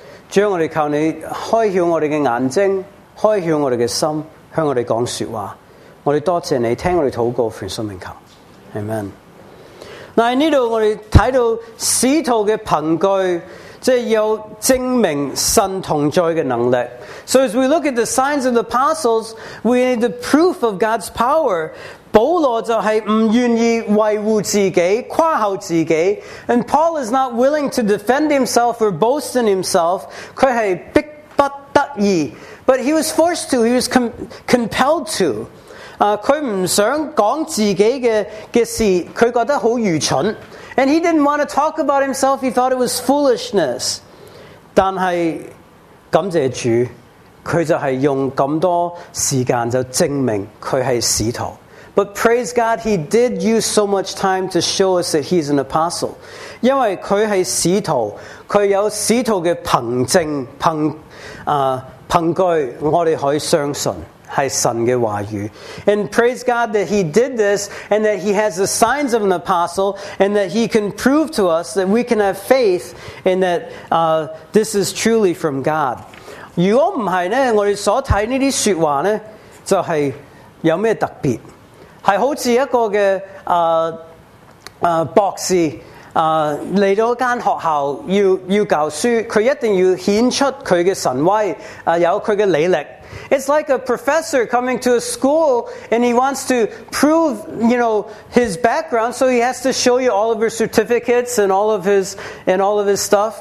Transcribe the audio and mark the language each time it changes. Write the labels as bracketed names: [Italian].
[Chinese] 主，我们求你开窍我们的眼睛，开窍我们的心，向我们讲说话。我们多谢你听我们祷告，奉圣名求， Amen。那在这里我们看到使徒的凭据，即有证明神同在的能力。 [English] So as we look at the signs of the apostles, we need the proof of God's power. [Chinese] 保罗就是不愿意维护自己，夸口自己。 [English] And Paul is not willing to defend himself or boast in himself. [Chinese] 他是逼不得已。 [English] But he was forced to, he was compelled to. [Chinese] 他不想讲自己 的事，他觉得很愚蠢。 [English] And he didn't want to talk about himself. He thought it was foolishness. [Chinese] 但是感谢主，他就是用这么多时间就证明他是使徒。 [English] But praise God, he did use so much time to show us that he's an apostle. [Chinese] 因为他是使徒，他有使徒的凭证，凭据，我们可以相信是神的话语。 [English] And praise God that he did this, and that he has the signs of an apostle, and that he can prove to us that we can have faith in that this is truly from God. [Chinese] 如果不是呢，我们所看这些说话呢，就是有什么特别，是好像一个的博士来到一间学校 要教书，他一定要显出他的神威，有他的履历。 [English] It's like a professor coming to a school and he wants to prove, you know, his background, so he has to show you all of his certificates and all of his stuff.